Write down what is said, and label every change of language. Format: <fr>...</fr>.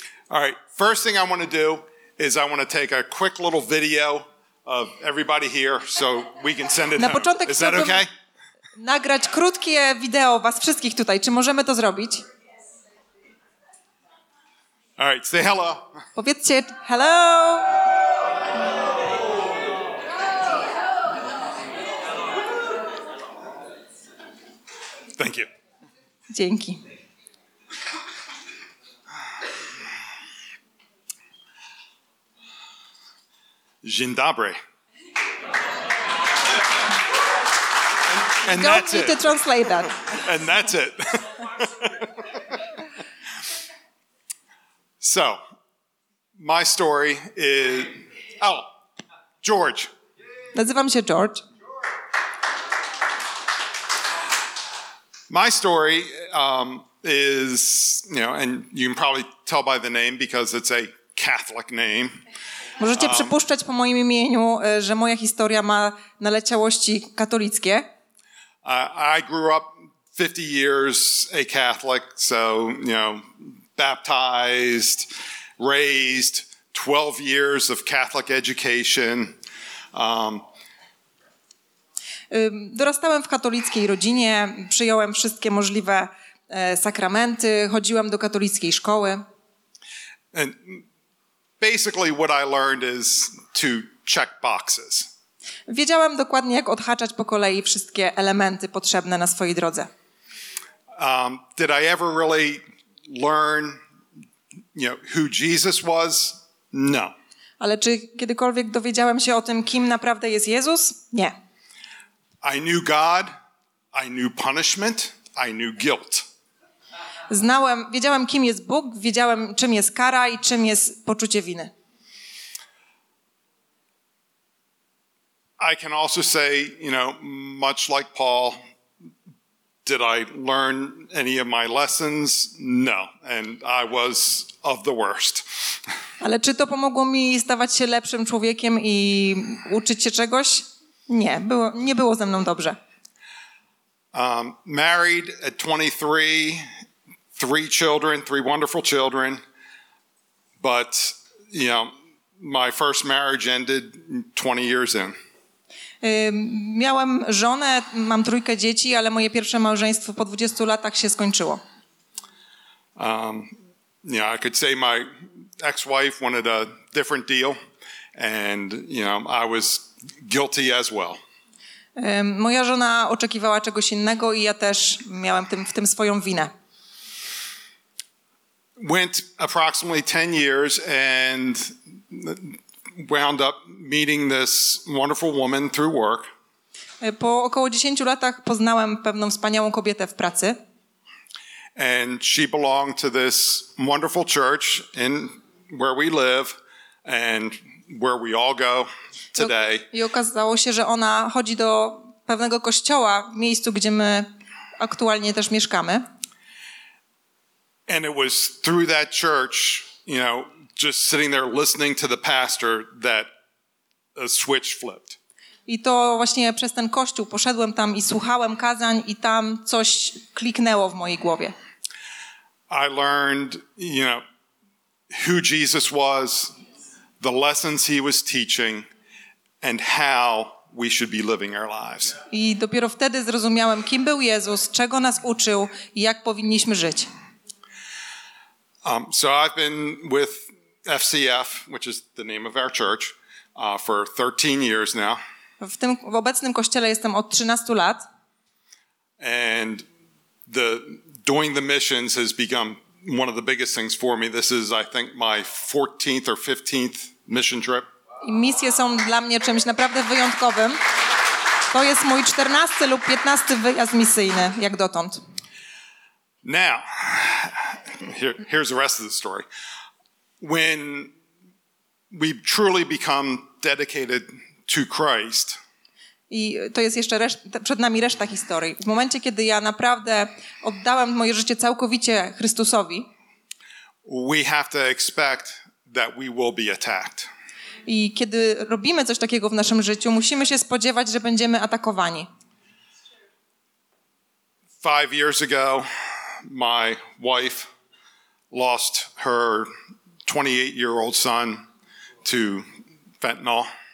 <en>All right, first thing I want to do is I want to take a quick little video of everybody here so we can send it</en> <pl>Na początek</pl> <en>home. Is that okay?</en> <pl>Nagrać krótkie wideo was wszystkich tutaj. Czy możemy to zrobić?</pl> <en>All right, say hello.</en> <pl>Powiedzcie hello.</pl> <en>Thank you.</en> <pl>Dzięki. Dzień dobry.</pl> <en>And that's it. Don't need to translate that. And that's it. So, my story is... Oh, George.</en> <pl>Nazywam się George.</pl> <en>My story is, you know, and you can probably tell by the name because it's a Catholic name.</en> <pl>Możecie przypuszczać po moim imieniu, że moja historia ma naleciałości katolickie.</pl> <en>I grew up 50 years a Catholic, so, you know... Baptized, raised, 12 years of Catholic education.</en> <pl>Dorastałem w katolickiej rodzinie, przyjąłem wszystkie możliwe sakramenty, chodziłem do katolickiej szkoły.</pl> <en>And basically what I learned is to check boxes.</en> <pl>Wiedziałem dokładnie, jak odhaczać po kolei wszystkie elementy potrzebne na swojej drodze.</pl> <en>Did I ever really learn... You know, who Jesus was? No.</en> <pl>Ale czy kiedykolwiek dowiedziałem się o tym, kim naprawdę jest Jezus? Nie.</pl> <en>I knew God, I knew punishment, I knew guilt.</en> <pl>Wiedziałem, kim jest Bóg, wiedziałem, czym jest kara i czym jest poczucie winy.</pl> <en>I can also say, you know, much like Paul, did I learn any of my lessons? No. And I was of the worst.</en> <pl>Ale czy to pomogło mi stawać się lepszym człowiekiem i uczyć się czegoś? Nie, nie było ze mną dobrze.</pl> <en>Married at 23, three children, three wonderful children. But, you know, my first marriage ended 20 years in.</en> <pl>Miałem żonę, mam trójkę dzieci, ale moje pierwsze małżeństwo po 20 latach się skończyło.</pl> <en>Yeah, I could say my ex-wife wanted a different deal and, you know, I was guilty as well.</en> <pl>Moja żona oczekiwała czegoś innego i ja też miałem w tym swoją winę.</pl> <en>Went approximately 10 years and wound up meeting this wonderful woman through work.</en> <pl>Po około 10 latach poznałem pewną wspaniałą kobietę w pracy.</pl> <en>And she belonged to this wonderful church in where we live and where we all go today.</en> <pl>I okazało się, że ona chodzi do pewnego kościoła w miejscu, gdzie my aktualnie też mieszkamy.</pl> <en>And it was through that church, you know, just sitting there listening to the pastor that a switch flipped.</en> <pl>I to właśnie przez ten kościół poszedłem tam i słuchałem kazań i tam coś kliknęło w mojej głowie.</pl> <en>I learned, you know, who Jesus was, the lessons he was teaching, and how we should be living our lives.</en> <pl>I dopiero wtedy zrozumiałem, kim był Jezus, czego nas uczył i jak powinniśmy żyć.</pl> <en>So I've been with FCF, which is the name of our church, for 13 years now.</en> <pl>W obecnym kościele jestem od 13 lat.</pl> <en>And doing the missions has become one of the biggest things for me. This is, I think, my 14th or 15th mission trip.</en> <pl>I misje są dla mnie czymś naprawdę wyjątkowym. To jest mój 14 lub 15 wyjazd misyjny, jak dotąd.</pl> <en>Now, here's the rest of the story. When we truly become dedicated to Christ.</en> <pl>I to jest jeszcze przed nami reszta historii. W momencie, kiedy ja naprawdę oddałem moje życie całkowicie Chrystusowi.</pl> <en>We have to expect that we will be attacked.</en> <pl>I kiedy robimy coś takiego w naszym życiu, musimy się spodziewać, że będziemy atakowani.</pl> <en>5 years ago, my wife lost her 28-year-old son to fentanyl.</en>